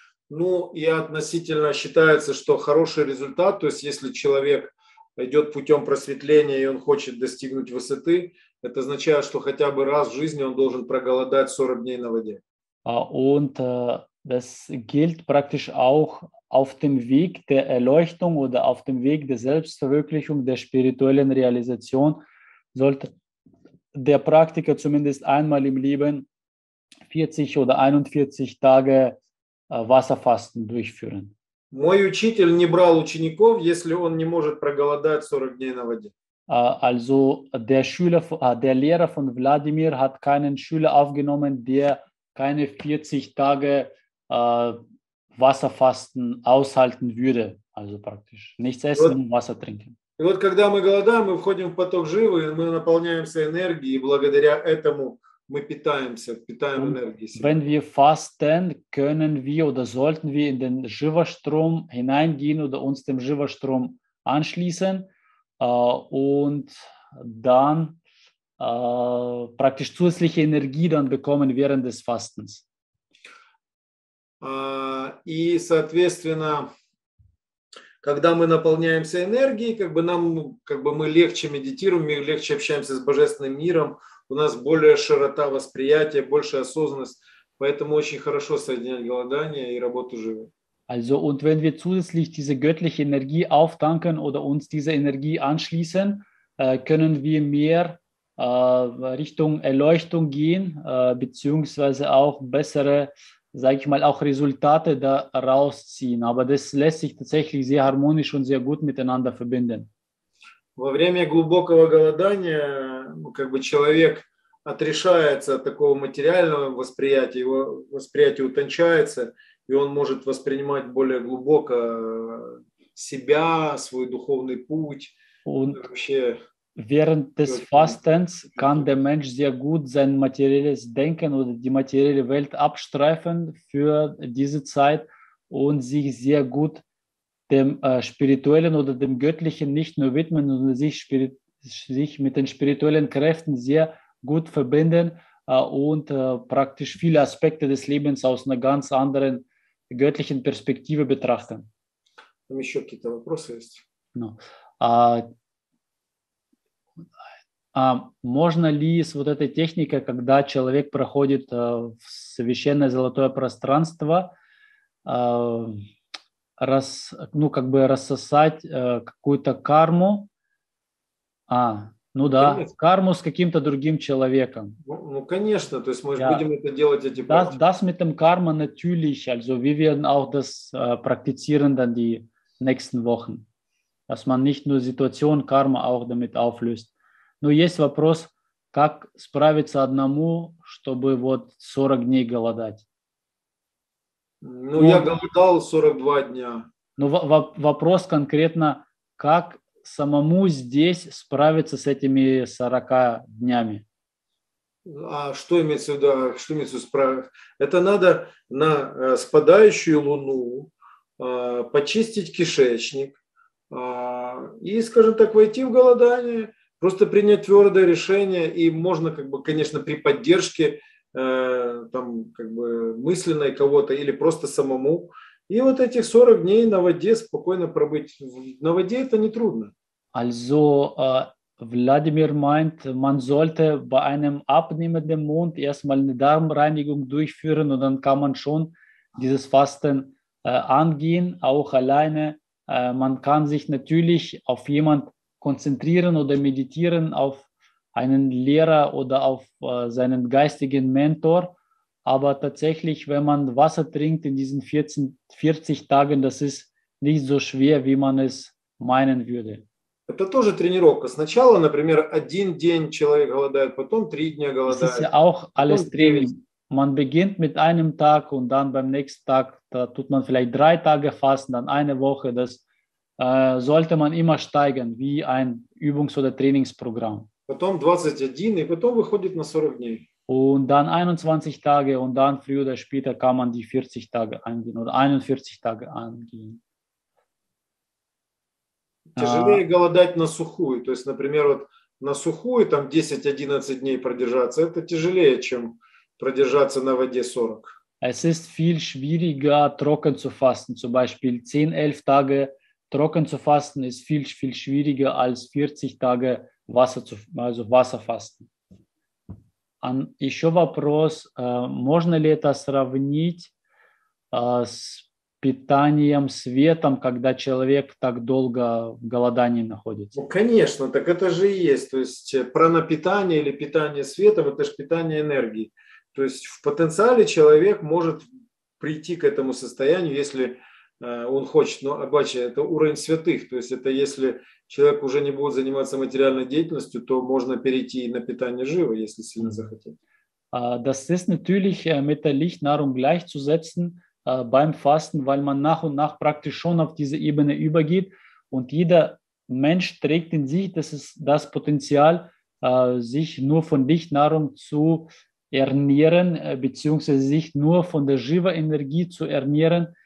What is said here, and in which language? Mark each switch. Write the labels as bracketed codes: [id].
[ru] Ну, и относительно считается, что хороший результат, то есть если человек идет путем просветления и он хочет достигнуть высоты, это означает, что хотя бы раз в жизни он должен проголодать 40 дней на воде. [de] Und das gilt praktisch auch auf dem Weg der Erleuchtung oder auf dem Weg der Selbstverwirklichung, der spirituellen Realisation, sollte der Praktiker zumindest einmal im Leben 40 oder 41 Tage Wasserfasten durchführen. [ru] Мой учитель не брал учеников, если он не может проголодать 40 дней на воде. [de] Also der Lehrer von Wladimir hat keinen Schüler aufgenommen, der keine 40 Tage Wasserfasten aushalten würde. Also praktisch nichts essen und Wasser trinken. [ru] И вот когда мы голодаем, мы входим в поток живы, мы наполняемся энергией, и благодаря этому мы питаем энергией. [de] Wenn wir fasten, können wir oder sollten wir in den Shiva-Strom hineingehen oder uns dem Shiva-Strom anschließen. Und dann praktisch zusätzliche Energie dann bekommen während des Fastens. [ru] И соответственно, когда мы наполняемся энергией, как бы нам, как бы мы легче медитируем, легче общаемся с божественным миром, у нас более широта восприятия, больше осознанность, поэтому очень хорошо соединять голодание и работу живы. [de] Also und wenn wir zusätzlich diese göttliche Energie auftanken oder uns dieser Energie anschließen, können wir mehr Richtung Erleuchtung gehen, beziehungsweise auch bessere, sage ich mal, auch Resultate daraus ziehen. Aber das lässt sich tatsächlich sehr harmonisch und sehr gut miteinander verbinden. [ru] Во время глубокого голодания, как бы человек отрешается от такого материального восприятия, его восприятие утончается, и он может воспринимать более глубоко себя, свой духовный путь. [de] Und [ru] вообще, [de] während des Fastens kann der Mensch sehr gut sein materielles Denken oder die materielle Welt abstreifen für diese Zeit und sich sehr gut dem spirituellen oder dem göttlichen nicht nur widmen, sondern sich mit den spirituellen Kräften sehr gut verbinden und praktisch viele Aspekte des Lebens aus einer ganz anderen göttlichen Perspektive betrachten. [ru] Там еще какие-то вопросы есть? [en] No. [ru] Можно ли с вот этой техникой, когда человек проходит в священное золотое пространство, рассосать какую-то карму? Карму с каким-то другим человеком. Конечно, то есть мы будем это делать эти практики. [de] Das mit dem Karma natürlich, also wir werden auch das praktizieren dann die nächsten Wochen. Dass man nicht nur Situation Karma auch damit auflöst. [ru] Но есть вопрос, как справиться одному, чтобы вот 40 дней голодать? Я голодал 42 дня. Вопрос конкретно, как самому здесь справиться с этими 40 днями? А что имеется в виду? Что имеется в виду справиться? Это надо на спадающую луну почистить кишечник и, скажем так, войти в голодание, просто принять твердое решение, и можно, как бы, конечно, при поддержке там, как бы, мысленной кого-то или просто самому. И вот этих 40 дней на воде спокойно пробыть. На воде это не трудно. [de] Also, Wladimir meint, man sollte bei einem abnehmenden Mond erstmal eine Darmreinigung durchführen und dann kann man schon dieses Fasten angehen, auch alleine. Man kann sich natürlich auf jemanden konzentrieren oder meditieren, auf einen Lehrer oder auf seinen geistigen Mentor. Aber tatsächlich, wenn man Wasser trinkt in diesen 40 Tagen, das ist nicht so schwer, wie man es meinen würde. [ru] Это тоже тренировка. Сначала, например, один день человек голодает, потом три дня голодает. [de] Das ist ja auch alles Training. Man beginnt mit einem Tag und dann beim nächsten Tag da tut man vielleicht drei Tage fasten, dann eine Woche. Das sollte man immer steigern, wie ein Übungs- oder Trainingsprogramm. [ru] Потом 21 и потом выходит на 40 дней. [de] Und dann 21 Tage und dann früher oder später kann man die 40 Tage angehen oder 41 Tage angehen. [ru] Тяжелее голодать на сухую. То есть, например, вот на сухую там 10-11 дней продержаться, это тяжелее, чем продержаться на воде 40. [de] Es ist viel schwieriger, trocken zu fasten. Zum Beispiel 10-11 Tage trocken zu fasten ist viel, viel schwieriger als 40 Tage Wasserfasten. [ru] Еще вопрос, можно ли это сравнить с питанием, светом, когда человек так долго в голодании находится? Конечно, так это же и есть. То есть пранапитание или питание светом – это же питание энергии. То есть в потенциале человек может прийти к этому состоянию, если он хочет. Но, обаче, это уровень святых. То есть это если человек уже не будет заниматься материальной деятельностью, то можно перейти на питание живо, если сильно захотеть. [de] Das ist natürlich mit der Lichtnahrung gleichzusetzen, beim Fasten, weil man nach und nach praktisch schon auf diese Ebene übergeht und jeder Mensch trägt in sich, das ist das Potenzial, sich nur von Lichtnahrung zu ernähren, beziehungsweise sich nur von der Shiva-Energie zu ernähren.